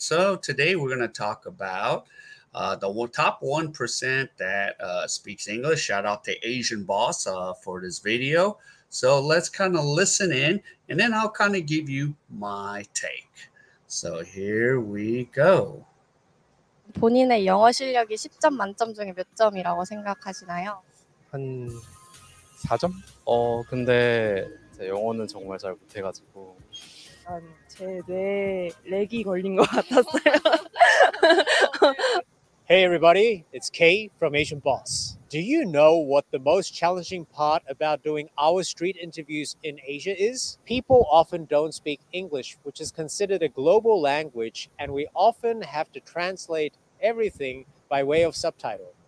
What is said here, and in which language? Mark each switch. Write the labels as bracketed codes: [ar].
[en] So today we're going to talk about the top 1% that speaks English. Shout out to Asian Boss for this video. So let's kind of listen in and then I'll kind of give you my take. So here we go. [ko] 본인의 영어 실력이 10점 만점 중에 몇 점이라고 생각하시나요? 한 4점? 근데 제 영어는 정말 잘 못해가지고 제 뇌에 렉이 걸린 것 같았어요. [en] Hey everybody, it's Kay from Asian Boss. Do you know what the most challenging part about doing our street interviews in Asia is? People often don't speak English, which is considered a global language, and we often have to translate everything by way of subtitle.